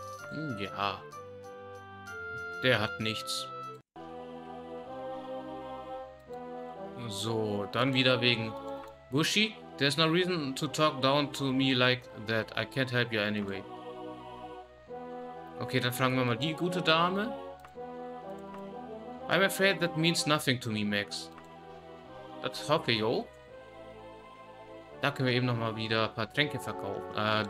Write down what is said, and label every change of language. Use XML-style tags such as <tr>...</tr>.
<de>Hm, ja. Der hat nichts. So, dann wieder wegen Bushy.</de> <en>There's no reason to talk down to me like that. I can't help you anyway.</en> <de>Okay, dann fragen wir mal die gute Dame.</de> <en>I'm afraid that means nothing to me, Max.</en> <de>Das hoffe ich auch. Da können wir eben nochmal wieder ein paar Tränke verkaufen.</de>